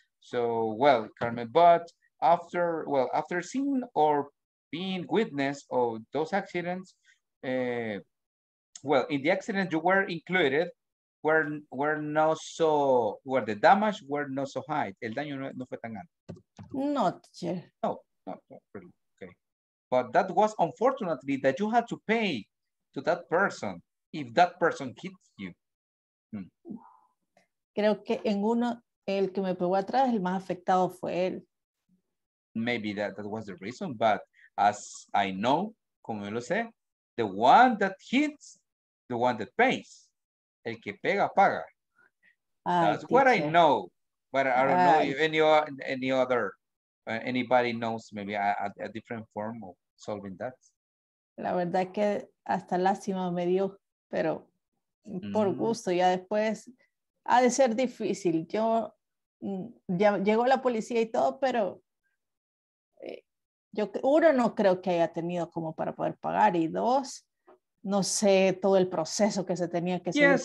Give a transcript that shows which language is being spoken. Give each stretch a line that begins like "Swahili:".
English: So, well, Carmen, but after seeing or being witness of those accidents, in the accident you were included, were not so, where the damage were not so high.
Spanish: El daño no fue tan alto.
English: Not yet. No, not really. Okay. But that was unfortunately that you had to pay to that person if that person hit you. Hmm.
Spanish: Creo que en uno, el que me pegó atrás, el más afectado fue él.
English: Maybe that was the reason, but as I know,
Spanish: como yo lo sé,
English: the one that hits, the one that pays.
Spanish: El que pega, paga.
English: That's what I know. But I don't know if anybody knows maybe a different form of solving that.
Spanish: La verdad que hasta lástima me dio, pero por gusto ya después. Ha de ser difícil. Yo, ya llegó la policía y todo, pero... Yo uno no creo que haya tenido como para poder pagar y dos no sé todo el proceso que se tenía que seguir